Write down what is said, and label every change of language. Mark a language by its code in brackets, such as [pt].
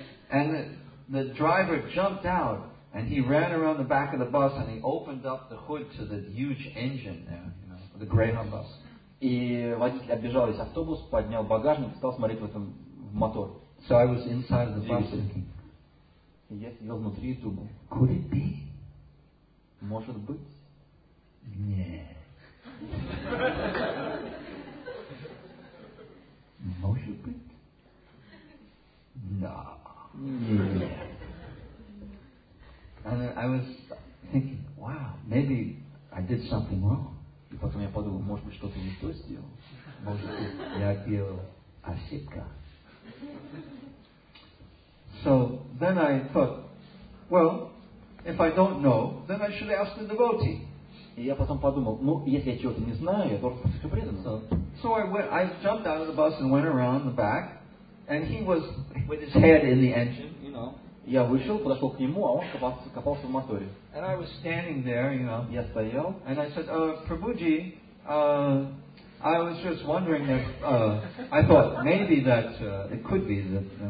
[en] And the driver jumped out and he ran around the back of the bus and he opened up the hood to the huge engine there, the Greyhound bus. [ru] И водитель оббежал весь автобус, поднял багажник, стал смотреть в этом в мотор. [en] So I was inside of the bus thinking, [ru] я сидел внутри и думал, [en] could it be? [ru] Может быть? Нет. Может быть? Да. Нет. [en] And I was thinking, wow, maybe I did something wrong. [ru] И потом я подумал, может быть, что-то не то сделал. Может быть, я делал ошибку. [en] So then I thought, well, if I don't know, then I should ask the devotee. [ru] И я потом подумал, ну, если я чего-то не знаю, я должен спросить преданного. [en] So I jumped out of the bus and went around the back, and he was with his head in the engine, you know. [ru] Я вышел, подошел к нему, а он копался в моторе. [en] And I was standing there, you know. [ru] Я стоял. [en] And I said, Prabhuji, I was just wondering if, I thought maybe that it could be that.